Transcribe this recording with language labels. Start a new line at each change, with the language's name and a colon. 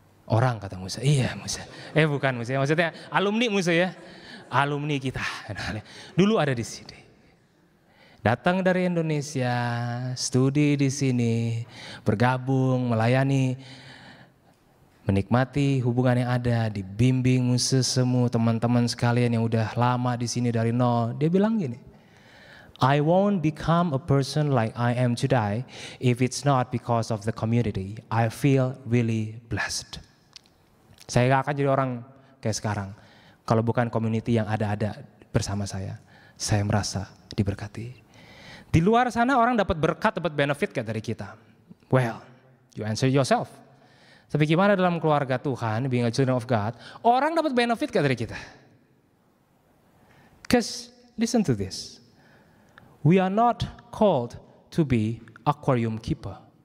Indonesian: Orang kata Musa. Iya Musa. Bukan Musa. Maksudnya alumni Musa ya. Alumni kita. Dulu ada di sini. Datang dari Indonesia, studi di sini, bergabung, melayani, menikmati hubungan yang ada, dibimbing semua teman-teman sekalian yang udah lama di sini dari nol.
English: Dia bilang gini, I won't become a person like I am today if it's not because of the community. I feel really blessed.
Indonesian: Saya gak akan jadi orang kayak sekarang, kalau bukan community yang ada-ada bersama saya merasa diberkati. Di luar sana orang dapat berkat, dapat benefit gak dari kita?
English: Well, you answer yourself.
Indonesian: Tapi gimana dalam keluarga Tuhan,
English: being a children of God,
Indonesian: orang dapat benefit gak dari kita?
English: Because, listen to this. We are not called to be aquarium keeper.